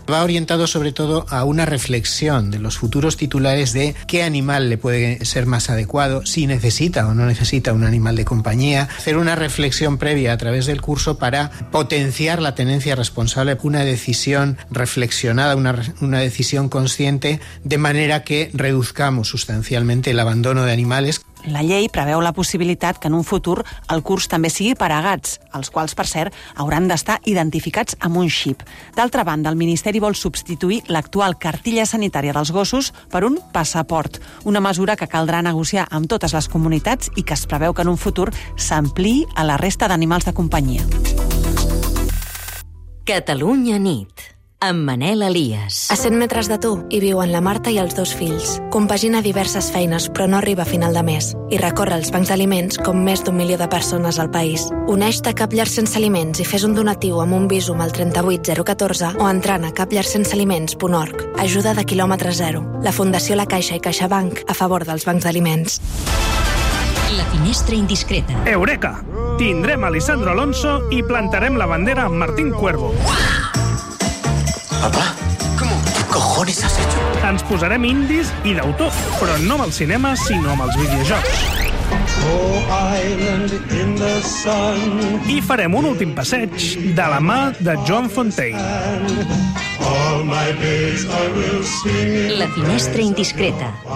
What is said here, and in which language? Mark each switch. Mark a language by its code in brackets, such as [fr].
[es] Va orientado sobre todo a una reflexión de los futuros titulares de qué animal le puede ser más adecuado, si necesita o no necesita un animal de compañía. Hacer una reflexión previa a través del curso para potenciar la tenencia responsable, una decisión reflexionada, una decisión consciente, de manera que reduzcamos sustancialmente el abandono de animales. [ca] La llei preveu la possibilitat que en un futur el curs també sigui per a gats, els quals, per cert, hauran d'estar identificats amb un xip. D'altra banda, el Ministeri vol substituir l'actual cartilla sanitària dels gossos per un passaport, una mesura que caldrà negociar amb totes les comunitats i que es preveu que en un futur s'ampliï a la resta d'animals de companyia. Catalunya nit. Amb Manel Elias. A 100 metres de tu hi viuen la Marta i els dos fills. Compagina diverses feines, però no arriba a final de mes. I recorre els bancs d'aliments com més d'un milió de persones al país. Uneix-te a Cap Llar Sense Aliments i fes un donatiu amb un Bizum al 38014 o entrant a capllarsensealiments.org. Ajuda de quilòmetre zero. La Fundació La Caixa i CaixaBank a favor dels bancs d'aliments. La finestra indiscreta. Eureka! Tindrem a Lisandro Alonso i plantarem la bandera amb Martín Cuervo. [es] Papá, ¿qué cojones has hecho? [ca] Ens posarem indies i d'autor, però no amb el cinema, sinó amb els videojocs. [en] Oh, island in the sun. [ca] I farem un últim passeig de la mà de Joan Fontaine. [en] All my days I will sing. [ca] La finestra indiscreta.